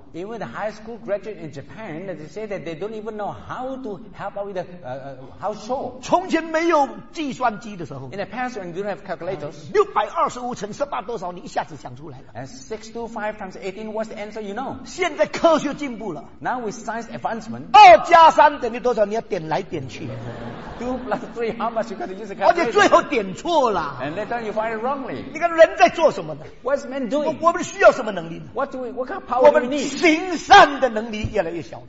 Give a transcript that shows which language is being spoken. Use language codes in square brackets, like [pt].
[en] Even the high school graduate in Japan, they say that they don't even know how to help out with the household. [zh] 从前没有计算机的时候 [en] ，In the past when you don't have calculators, [zh] 625×18多少？你一下子想出来了。 [en] And 625×18, what's the answer? You know. [zh] 现在科学进步了。 [en] Now with science advancement, [zh] 2+3等于多少？你要点来点去。 [en] 2+3, how much you got to use a calculator? [zh] 而且最后点错了。 [en] And later you find it wrongly. [zh] 你看人在做什么呢？ [en] What's man doing? [zh] 我们需要什么能力？ [en] What do we? What kind of power do we need? [zh] 我们行善的能力越来越小了。